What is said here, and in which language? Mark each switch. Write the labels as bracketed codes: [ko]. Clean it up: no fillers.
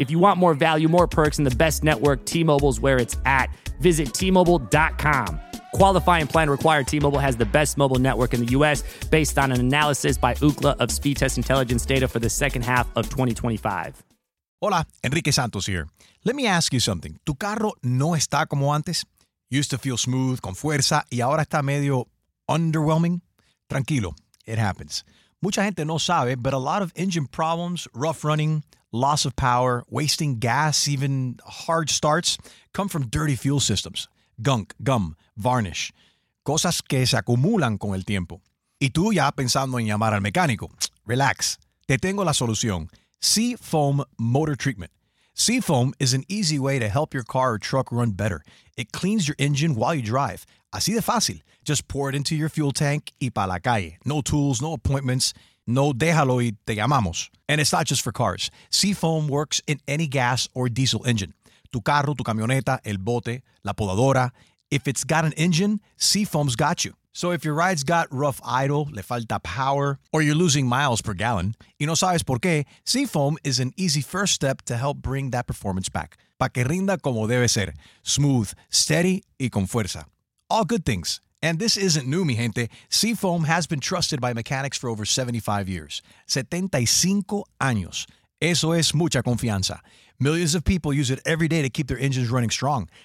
[en] If you want more value, more perks, and the best network, T-Mobile's where it's at. Visit T-Mobile.com. Qualifying plan required. T-Mobile has the best mobile network in the U.S. based on an analysis by Ookla of Speedtest Intelligence data for the second half of 2025. Hola, Enrique Santos here. Let me ask you something. [es] ¿Tu carro no está como antes? [en] Used to feel smooth, [es] con fuerza, y ahora está medio underwhelming? [en] Tranquilo, it happens. [es] Mucha gente no sabe, [en] but a lot of engine problems, rough running, loss of power, wasting gas, even hard starts, come from dirty fuel systems. Gunk, gum, varnish. [es] Cosas que se acumulan con el tiempo. Y tú ya pensando en llamar al mecánico. Relax. Te tengo la solución. Seafoam Motor Treatment. [en] Seafoam is an easy way to help your car or truck run better. It cleans your engine while you drive. [es] Así de fácil. [en] Just pour it into your fuel tank [es] y pa' la calle. [en] No tools, no appointments. [es] No déjalo y te llamamos. [en] And it's not just for cars. Seafoam works in any gas or diesel engine. [es] Tu carro, tu camioneta, el bote, la podadora. [en] If it's got an engine, Seafoam's got you. So if your ride's got rough idle, [es] le falta power, [en] or you're losing miles per gallon, [es] y no sabes por qué, [en] Seafoam is an easy first step to help bring that performance back. [es] Pa' que rinda como debe ser. [en] Smooth, steady, [es] y con fuerza. [en] All good things. And this isn't new, [es] mi gente. [en] Seafoam has been trusted by mechanics for over 75 years. [es] 75 años. Eso es mucha confianza. [en] Millions of people use it every day to keep their engines running strong.